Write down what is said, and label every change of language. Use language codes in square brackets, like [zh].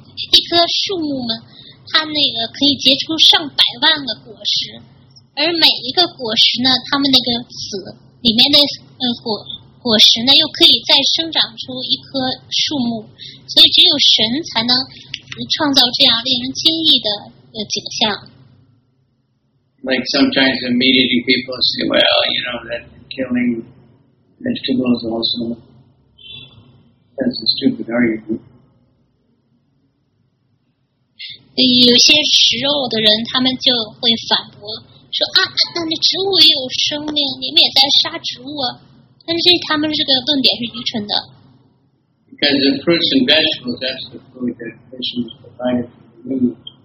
[zh] 一棵树木嘛，它那个可以结出上百万个果实，而每一个果实呢，它们那个籽里面的果实呢，又可以再生长出一棵树木，所以只有神才能创造这样令人惊异的景象。 [en] Like sometimes immediately people say, well, you know, that killing vegetables also that's a stupid argument. [zh] 有些食肉的人他们就会反驳说啊，那植物也有生命，你们也在杀植物啊，但是他们这个论点是愚蠢的。 [en] Because the fruits and vegetables, that's the food that Krishna is provided for the meat.